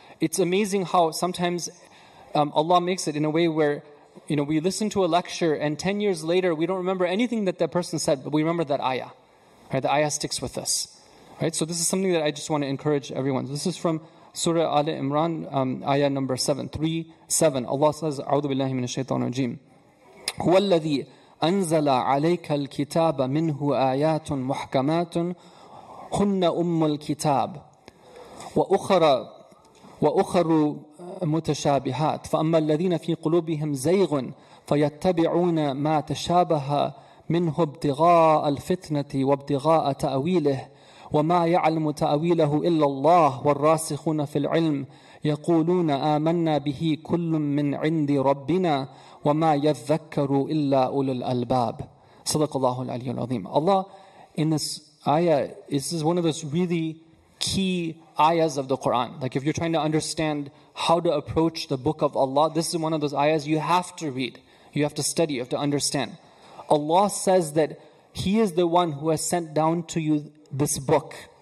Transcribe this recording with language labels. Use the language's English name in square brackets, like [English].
[English] It's amazing how sometimes Allah makes it in a way where, you know, we listen to a lecture and 10 years later, we don't remember anything that person said, but we remember that ayah. Right? The ayah sticks with us. Right? So this is something that I just want to encourage everyone. This is from Surah Ali Imran, ayah number 7. Allah says, [Arabic] أَعُوذُ بِاللَّهِ مِنَ الشَّيْطَانِ الرَّجِيمِ هُوَ الَّذِي أَنزَلَ عَلَيْكَ الْكِتَابَ مِنْهُ آيَاتٌ مُحْكَمَاتٌ هُنَّ أُمُّ الْكِتَابِ وَأُخَرَ وأخر متشابهات فأما الذين في قلوبهم زيغ فيتبعون ما تشابه منه ابتغاء الفتنة وابتغاء تأويله وما يعلم تأويله إلا الله والراسخون في العلم يقولون آمنا به كل من عند ربنا وما يذكر إلا أولو الألباب. صدق الله العلي العظيم. [English] Allah, in this ayah, this is one of those really key ayahs of the Quran. Like if you're trying to understand how to approach the book of Allah, this is one of those ayahs you have to read. You have to study, you have to understand. Allah says that He is the one who has sent down to you this book.